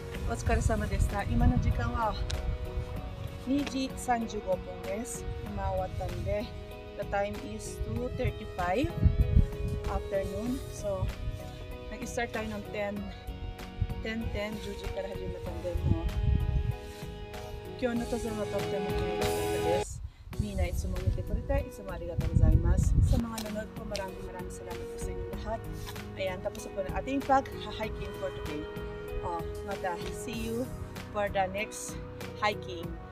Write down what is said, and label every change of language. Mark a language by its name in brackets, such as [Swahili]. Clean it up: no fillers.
[Japanese] お疲れ様でした。今の時間は2時35分です。今終わったんで、 [English] The time is 2:35 afternoon. [Filipino] So, nag-start tayo ng 10:10, [Japanese] 10 時から始めたんで、もう今日のとてもとっても気になったです。みんないつも見てくれて、いつもありがとうございます。 [Filipino] さあ、ななこ、maraming salamat po sa inyo lahat. Ayan, tapos po na ating pag-hiking for today. [English] また see you for the next hiking.